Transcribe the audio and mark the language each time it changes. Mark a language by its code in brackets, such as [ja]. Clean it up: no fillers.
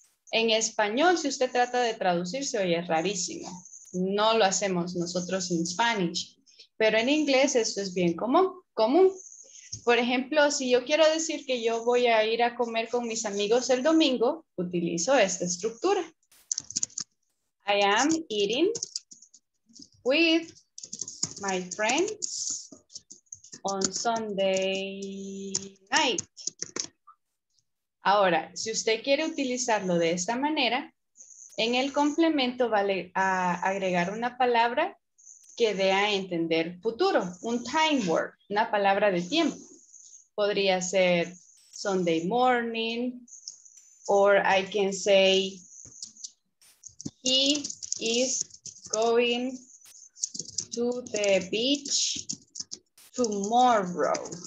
[es] En español, si usted trata de traducir, se oye rarísimo. No lo hacemos nosotros en Spanish, pero en inglés esto es bien común. Por ejemplo, si yo quiero decir que yo voy a ir a comer con mis amigos el domingo, utilizo esta estructura. [en] I am eating with my friends on Sunday night. [es] Ahora, si usted quiere utilizarlo de esta manera, en el complemento vale a agregar una palabra que dé a entender futuro, un time word, una palabra de tiempo. Podría ser [en] Sunday morning, or I can say he is going to the beach tomorrow.